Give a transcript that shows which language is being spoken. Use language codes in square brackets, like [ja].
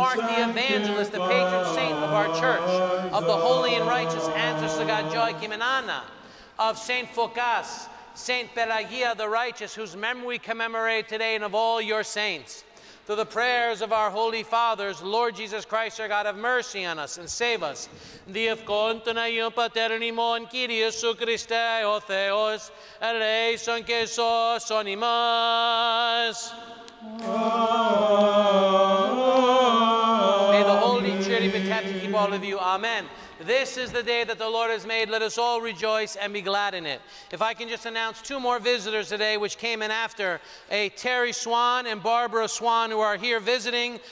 [en] Mark the Evangelist, the patron saint of our church, of the holy and righteous ancestors of God Joachim and Anna, of St. Phocas, St. Pelagia the righteous, whose memory we commemorate today, and of all your saints. Through the prayers of our holy fathers, Lord Jesus Christ, our God, have mercy on us and save us. [el] Διευκόν των Αγίων Πατέρων ημών, Κύριε Ιησού Χριστέ, ο Θεός, ελέησον και σώσον ημάς. [en] May the Holy Trinity be kept to keep all of you. Amen. This is the day that the Lord has made. Let us all rejoice and be glad in it. If I can just announce two more visitors today, which came in after, a Terry Swan and Barbara Swan, who are here visiting.